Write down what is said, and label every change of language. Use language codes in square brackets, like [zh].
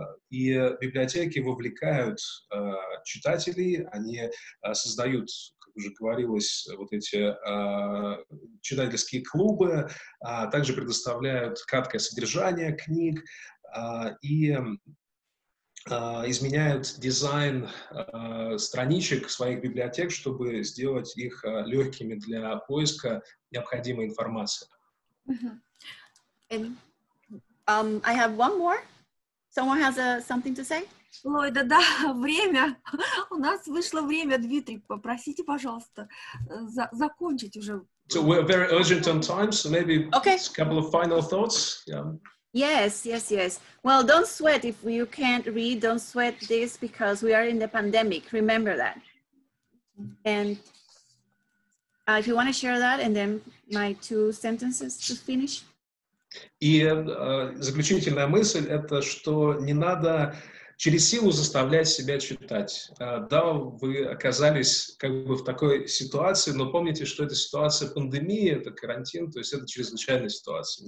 [ru] И библиотеки вовлекают читателей, они создают, как уже говорилось, вот эти читательские клубы, также предоставляют краткое содержание книг и изменяют дизайн страничек своих библиотек, чтобы сделать их легкими для поиска необходимой информации. [en] I have one more. Someone has something to say? [ru] Лойда, да, время. У нас вышло время, Дмитрий, попросите, пожалуйста, закончить уже. [en] So we're very urgent on time, so maybe okay. A couple of final thoughts. Yeah. Yes, yes, yes. Well, don't sweat if you can't read. Don't sweat this because we are in the pandemic. Remember that. And if you want to share that, and then my two sentences to finish. [ru] И заключительная мысль — это что не надо через силу заставлять себя читать. Да, вы оказались как бы в такой ситуации, но помните, что это ситуация пандемии, это карантин, то есть это чрезвычайная ситуация.